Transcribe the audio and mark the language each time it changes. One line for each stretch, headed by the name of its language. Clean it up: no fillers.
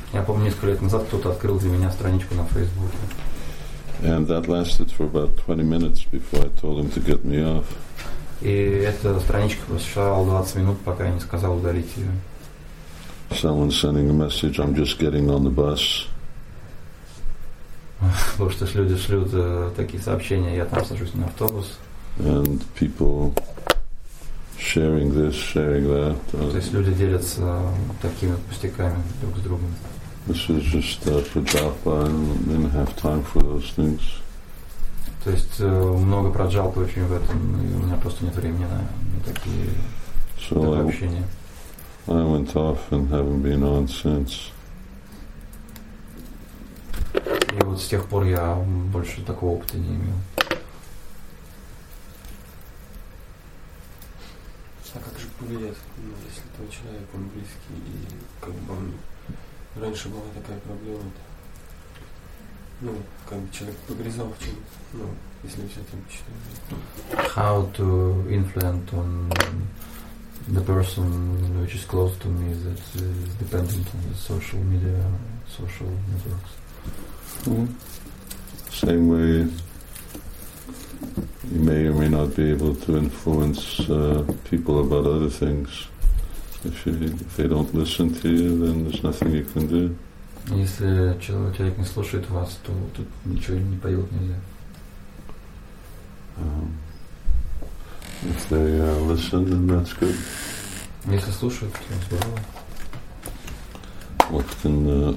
Russian: Я помню, несколько лет назад кто-то открыл для меня страничку на Фейсбуке.
English: And that lasted for about 20 minutes before I told him to get me off.
Russian: И эта страничка просуществовала 20 минут, пока я не сказал удалить ее.
English: Someone sending a message, I'm just getting on the bus.
Russian: Потому что люди шлют такие сообщения, я там сажусь на автобус.
English: And people sharing this, sharing that.
Russian: То есть люди делятся такими пустяками друг с другом.
English: This is just Prajapa, I didn't have time for those things.
Russian: То есть много Prajapa очень в этом, и у меня просто нет времени на такие общения.
English: I went off and haven't been on since.
Russian: И вот с тех пор я больше такого опыта не имел. А как же повлиять, если твой человек, он близкий, и как бы он... Раньше была такая проблема, ну, как бы человек погрязал в чем, ну, если все там читают.
English: How to influence on the person which is close to me that is dependent on the social media, social networks? Same way you may or may not be able to influence people about other things. If they don't listen to you, then there's nothing you can do.
Russian: Если человек не слушает вас, то тут ничего не поделать нельзя.
English: If they listen, then that's good.
Russian: Если слушают, то здорово.